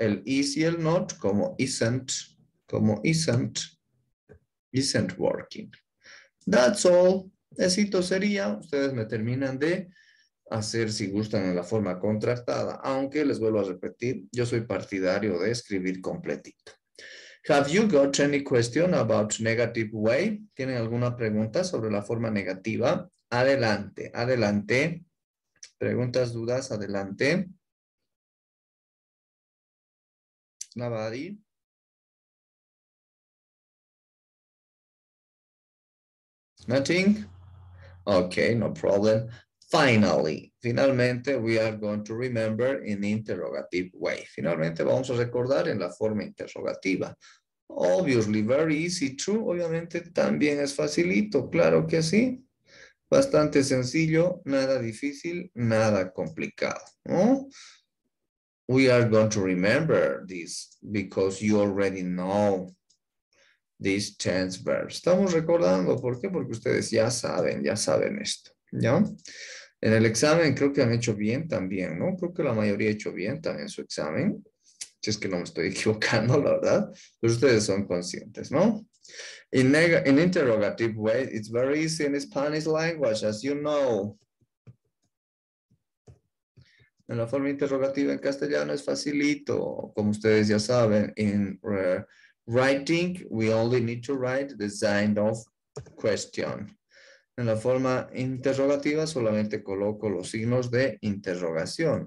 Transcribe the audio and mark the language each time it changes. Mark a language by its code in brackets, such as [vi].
[es] El is y el not como isn't, [en] isn't working. That's all. [es] Necesito sería, ustedes me terminan de hacer si gustan en la forma contractada, aunque les vuelvo a repetir, yo soy partidario de escribir completito. [en] Have you got any question about negative way? [es] ¿Tienen alguna pregunta sobre la forma negativa? Adelante, adelante. ¿Preguntas, dudas? Adelante. [en] Nobody. Nothing? Okay, no problem. Finally, finalmente, we are going to remember in interrogative way. [es] Finalmente, vamos a recordar en la forma interrogativa. [en] Obviously, very easy to. [es] Obviamente, también es facilito. Claro que sí. Bastante sencillo, nada difícil, nada complicado, ¿no? [en] We are going to remember this because you already know these tense verbs. [es] Estamos recordando, ¿por qué? Porque ustedes ya saben esto, ¿ya? En el examen creo que han hecho bien también, ¿no? Creo que la mayoría ha hecho bien también su examen. Si es que no me estoy equivocando, la verdad. Pero ustedes son conscientes, ¿no? [en] In interrogative way, it's very easy in Spanish language, as you know. [es] En la forma interrogativa en castellano es facilito, como ustedes ya saben. [en] In writing, we only need to write the sign of question. [es] En la forma interrogativa solamente coloco los signos de interrogación.